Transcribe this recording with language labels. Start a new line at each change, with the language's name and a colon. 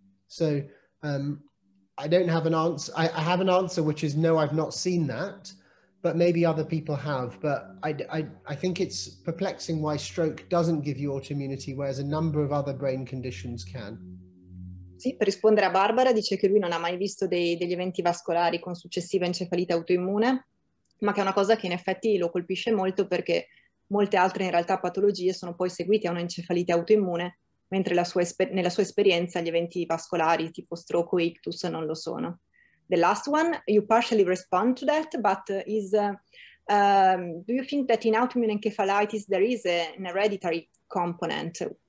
English: So I don't have an answer. I have an answer, which is no, I've not seen that. But maybe other people have. But I think it's perplexing why stroke doesn't give you autoimmunity, whereas a number of other brain conditions can.
Italian: Sì, per rispondere a Barbara, dice che lui non ha mai visto degli eventi vascolari con successiva encefalite autoimmune, ma che è una cosa che in effetti lo colpisce molto perché molte altre in realtà patologie sono poi seguite a un'encefalite autoimmune, mentre nella sua esperienza gli eventi vascolari tipo stroke o ictus non lo sono.
English: The last one, you partially respond to that, but do you think that in autoimmune encephalitis there is an hereditary component?